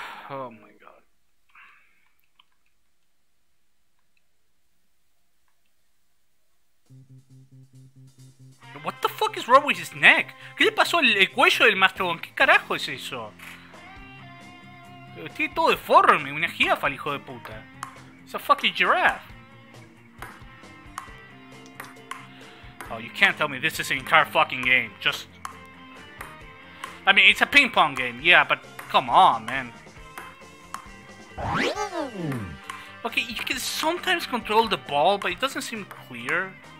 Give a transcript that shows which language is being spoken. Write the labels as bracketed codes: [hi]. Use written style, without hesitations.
[en] Oh my god. What the fuck is wrong with his neck? [es] ¿Qué le pasó al cuello del mastodon? ¿Qué carajo es eso? Tiene todo deforme, una jirafa, el hijo de puta. [en] It's a fucking giraffe. Oh, you can't tell me this is an entire fucking game. Just... I mean, it's a ping pong game, yeah, but come on, man. Okay, you can sometimes control the ball, but it doesn't seem clear.